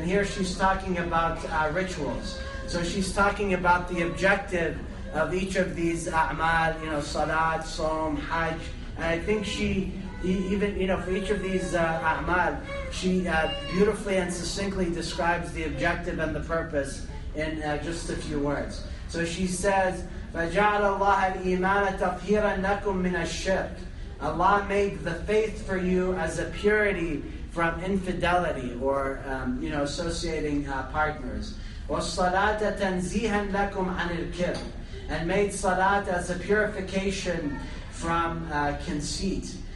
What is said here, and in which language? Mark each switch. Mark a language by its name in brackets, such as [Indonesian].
[English] And here she's talking about rituals. So she's talking about the objective of each of these a'mal, you know, salat, sawm, hajj. And I think she, even, you know, for each of these a'mal, she beautifully and succinctly describes the objective and the purpose in just a few words. So she says, [Arabic] فَجَعَلَ اللَّهَ الْإِيمَانَ تَطْهِيرًا لَكُمْ مِنَ الشِّرْكِ. [English] Allah made the faith for you as a purity from infidelity or, you know, associating partners. [Arabic] وَالصَّلَاةَ تَنْزِيهًا لَكُمْ عَنِ الْكِرْكِ. [English] And made salat as a purification from conceit.